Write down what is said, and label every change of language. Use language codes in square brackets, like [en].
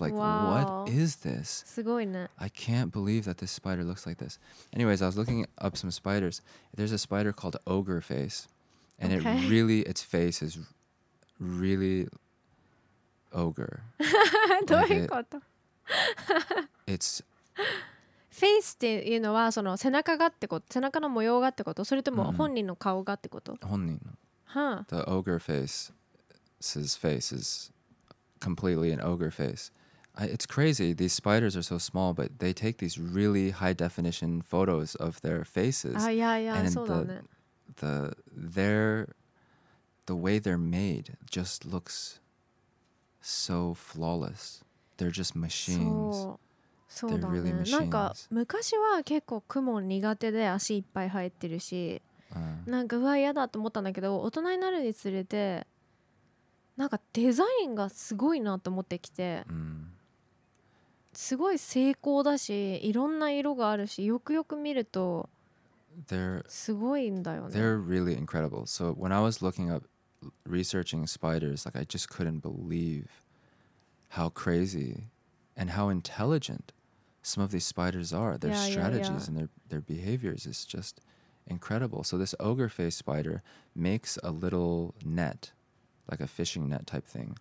[en] Like, wow. What is this? [ja] すごいね. [en] I can't believe that this spider looks like this. Anyways, I was looking up some spiders. There's a spider called Ogre Face. And okay. It really, its face is really ogre. [ja] どういうこと? [en] It's... [ja] フェイスっていうのはその背中がってこと背中の模様がってことそれとも本人の顔がってこと、うん、本人の、はあ、 [en] The ogre face's face is completely an ogre face. It's crazy. These spiders are so small, but they take these really high definition photos of their faces. [ja] あ、いやいや、そうだね。 [en] The way they're made just looks so flawless. They're just machines. [ja] そうだね、 [en] really、 [ja] なんか昔は結構クモ苦手で足いっぱい生えてるし、うん、なんかうわ嫌だと思ったんだけど大人になるにつれてなんかデザインがすごいなと思ってきて、うん、すごい精巧だしいろんな色があるしよくよく見るとすごいんだよね [en] they're really incredible so when I was looking up researching spiders like I just couldn't believe how crazyand how intelligent some of these spiders are. Their strategies and their behaviors is just incredible. So this ogre face spider makes a little net, like a fishing net type thing.